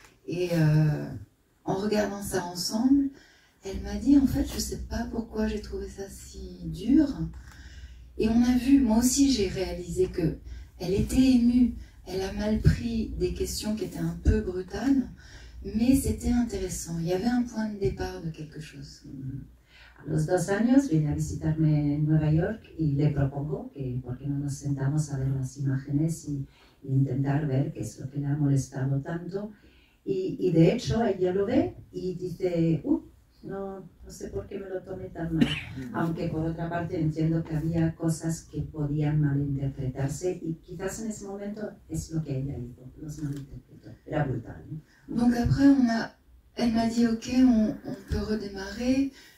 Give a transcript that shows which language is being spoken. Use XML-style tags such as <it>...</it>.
<fr>Et en regardant ça ensemble, elle m'a dit, en fait, je ne sais pas pourquoi j'ai trouvé ça si dur. Et on a vu, moi aussi j'ai réalisé qu'elle était émue, elle a mal pris des questions qui étaient un peu brutales, mais c'était intéressant, il y avait un point de départ de quelque chose.</fr> <es>Los 2 años viene a visitarme en Nueva York y le propongo que por qué no nos sentamos a ver las imágenes y intentar ver qué es lo que le ha molestado tanto. Y de hecho ella lo ve y dice, no sé por qué me lo tomé tan mal. Aunque por otra parte entiendo que había cosas que podían malinterpretarse y quizás en ese momento es lo que ella dijo, los malinterpretó. Era brutal.</es> <fr>Donc après, elle m'a dit, ok, on peut redémarrer.</fr>